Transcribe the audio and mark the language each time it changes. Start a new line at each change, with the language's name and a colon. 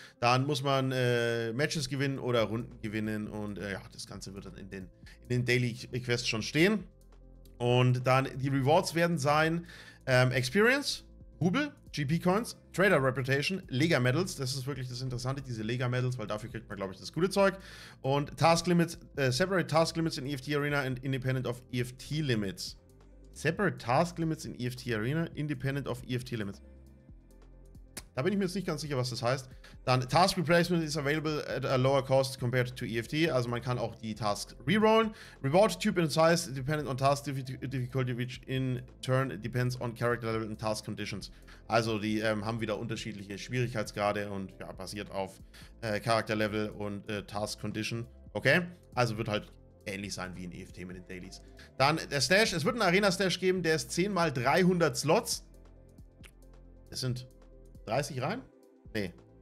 German: Dann muss man Matches gewinnen oder Runden gewinnen. Und das Ganze wird dann in den Daily Quests schon stehen. Und dann die Rewards werden sein Experience, Rubel, GP Coins, Trader Reputation, Lega Medals. Das ist wirklich das Interessante, diese Lega Medals, weil dafür kriegt man, glaube ich, das gute Zeug.
English: Und Task Limits, Separate Task Limits in EFT Arena and Independent of EFT Limits. Separate Task Limits in EFT Arena, Independent of EFT Limits.
German: Da bin ich mir jetzt nicht ganz sicher, was das heißt.
English: Dann Task Replacement is available at a lower cost compared to EFT.
German: Also man kann auch die Tasks rerollen.
English: Reward Type and Size dependent on Task Difficulty, which in turn depends on Character Level and Task Conditions.
German: Also die haben wieder unterschiedliche Schwierigkeitsgrade und ja, basiert auf Character Level und Task Condition. Okay, also wird halt ähnlich sein wie in EFT mit den Dailies. Dann der Stash. Es wird einen Arena Stash geben, der ist 10x300 Slots. Das sind 30 rein? Nee.